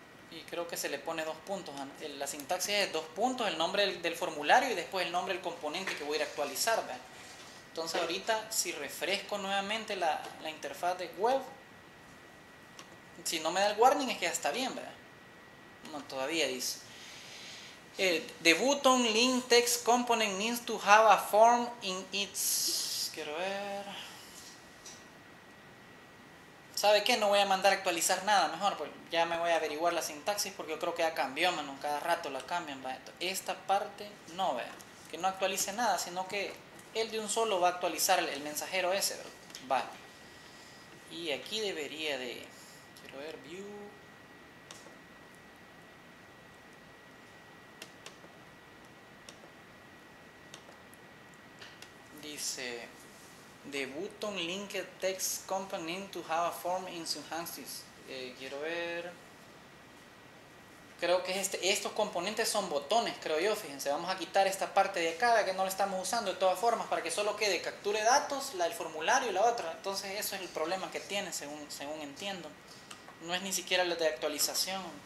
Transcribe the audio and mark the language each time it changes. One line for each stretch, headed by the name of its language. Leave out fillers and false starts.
Spanish: Y creo que se le pone dos puntos. La sintaxis es dos puntos, el nombre del formulario y después el nombre del componente que voy a ir a actualizar, ¿verdad? Entonces ahorita, si refresco nuevamente la interfaz de web, si no me da el warning es que ya está bien, ¿verdad? No, todavía dice.
English: The button link text component needs to have a form in its...
Spanish: Quiero ver... ¿Sabe qué? No voy a mandar a actualizar nada, mejor, pues ya me voy a averiguar la sintaxis porque yo creo que ya cambió, mano, cada rato la cambian, ¿va? Esta parte no, ¿verdad? Que no actualice nada, sino que él de un solo va a actualizar el mensajero ese, ¿verdad? Va. Y aquí debería de... Quiero ver, view...
English: Dice, the button linked text component to have a form in syntaxis.
Spanish: Quiero ver. Creo que estos componentes son botones, creo yo. Fíjense, vamos a quitar esta parte de acá, que no la estamos usando de todas formas, para que solo quede capture datos, la del formulario y la otra. Entonces, eso es el problema que tiene, según entiendo. No es ni siquiera la de actualización.